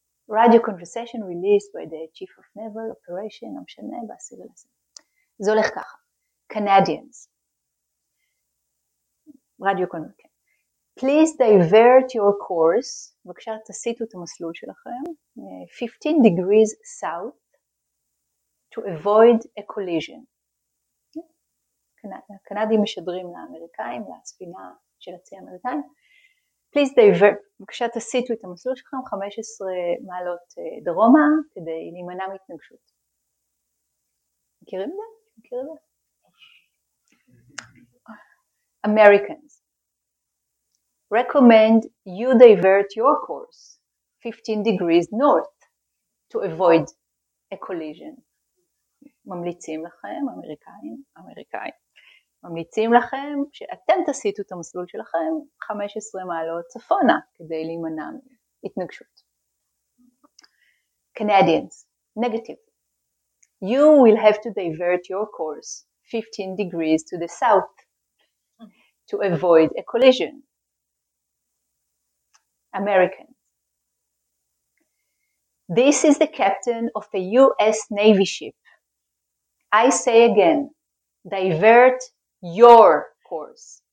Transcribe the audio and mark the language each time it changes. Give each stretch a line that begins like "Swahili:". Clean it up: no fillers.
English: Radio conversation released by the chief of naval operation,
Hebrew: לא משנה, בסדר לזה. זה הולך ככה.
English: Canadians. Radio Conversation. Please divert your course.
Hebrew: בבקשה תסיטו את המסלול שלכם.
English: 15 degrees south to avoid a collision.
Hebrew: הקנדים משדרים לאמריקאים, לספינה של הצי האמריקאים.
English: Please divert.
Hebrew: בבקשה תסיטו את המסלול שלכם 15 מעלות דרומה כדי להימנע מהתנגשות. מכירים את זה?
English: Americans, recommend you divert your course 15 degrees north to avoid a collision.
Hebrew: ממליצים לכם, אמריקאים, ממליצים לכם שאתם תסיטו את המסלול שלכם 15 מעלות צפונה כדי להימנע מהתנגשות.
English: Canadians, negative. You will have to divert your course 15 degrees to the south to avoid a collision. American. This is the captain of a US Navy ship. I say again, divert your course.